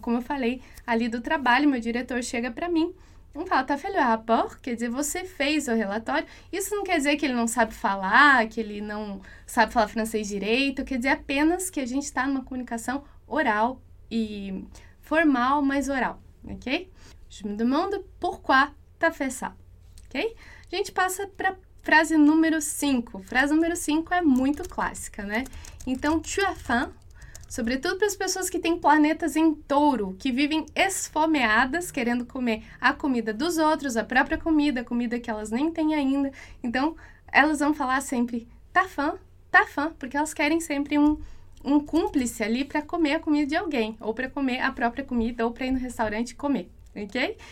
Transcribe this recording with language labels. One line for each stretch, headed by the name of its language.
Portuguese: Como eu falei ali do trabalho, meu diretor chega para mim, não fala, tá feliz, rapport, quer dizer, você fez o relatório. Isso não quer dizer que ele não sabe falar, que ele não sabe falar francês direito, quer dizer apenas que a gente está numa comunicação oral e formal, mas oral, ok?
French: Je me demande pourquoi tu as fait ça, ok?
Portuguese: A gente passa para frase número 5. Frase número 5 é muito clássica, né? Então, tu as faim, sobretudo para as pessoas que têm planetas em touro, que vivem esfomeadas, querendo comer a comida dos outros, a própria comida, a comida que elas nem têm ainda. Então, elas vão falar sempre tá faim, porque elas querem sempre um cúmplice ali para comer a comida de alguém, ou para comer a própria comida, ou para ir no restaurante comer, ok?